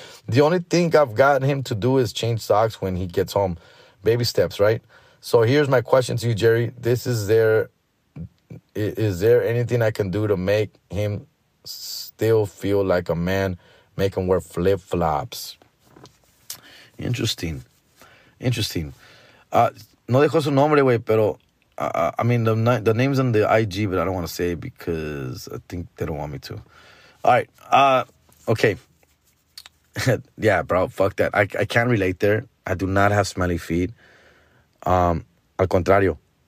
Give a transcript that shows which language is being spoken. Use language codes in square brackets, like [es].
[en] The only thing I've gotten him to do is change socks when he gets home. Baby steps, right? So here's my question to you, Jerry. Is there anything I can do to make him still feel like a man? Make him wear flip-flops. Interesting. Interesting. [es] No dejo su nombre, güey, pero... [en] I mean, the name's on the IG, but I don't want to say it because I think they don't want me to. All right. Okay. Yeah, bro. Fuck that. I can't relate there. I do not have smelly feet. [es] Al contrario.